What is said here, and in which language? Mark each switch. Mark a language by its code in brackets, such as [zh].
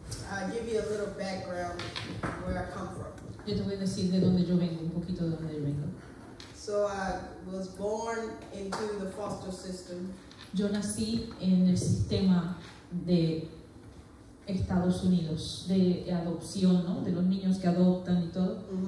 [en] I'll give you a little background where I come from. [es] Yo te voy a decir de dónde yo vengo, un poquito de dónde yo vengo. [en] So I was born into the foster system. [es] Yo nací en el sistema de Estados Unidos, de adopción, ¿no? De los niños que adoptan y todo.